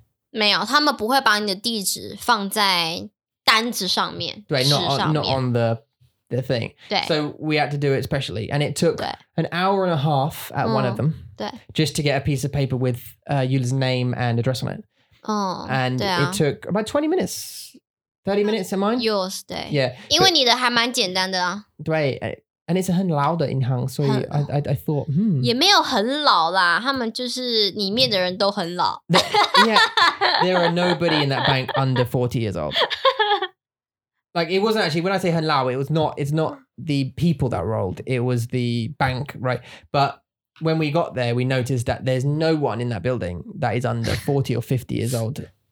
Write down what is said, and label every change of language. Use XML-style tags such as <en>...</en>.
<zh>没有他们不会把你的地址放在单子上面</zh> <en>对 not on the thing so we had to do it specially and it took an hour and a half at one of them just to get a piece of paper with Eula's name and address on it and it took about 20 minutes 30 minutes of mine yours 对 yeah</en> <zh>因为你的还蛮简单的啊</zh> <en>对 and it's a</en> <zh>很老的银行所以</zh> <en>I thought</en> <zh>也没有很老啦他们就是里面的人都很老</zh> <en>yeah there are nobody in that bank under 40 years old Like, it wasn't actually, when I say</en> <zh>很老,</zh> <en>it's not the people that rolled. It was the bank, right? But when we got there, we noticed that there's no one in that building that is under 40 or 50 years old.</en>